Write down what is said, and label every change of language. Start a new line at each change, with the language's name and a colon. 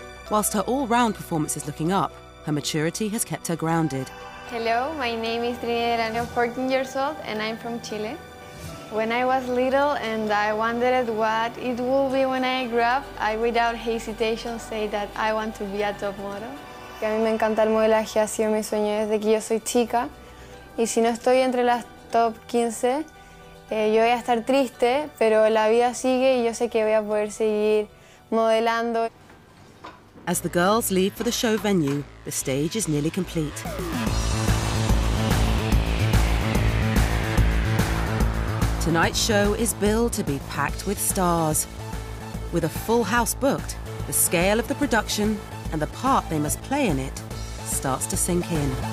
English: Whilst her all-round performance is looking up, her maturity has kept her grounded. Hello, my name is Trinidad and I'm 14 years old and I'm from Chile. When I was little and I wondered what it will be when I grew up, I without hesitation say that I want to be a top model.
Spanish: A mí me encanta el modelaje, ha sido mi sueño desde que yo soy chica. Y si no estoy entre las top 15, yo voy a estar triste, pero la vida sigue y yo sé que voy a poder seguir modelando.
English: As the girls leave for the show venue, the stage is nearly complete. Tonight's show is billed to be packed with stars. With a full house booked, the scale of the production and the part they must play in it starts to sink in.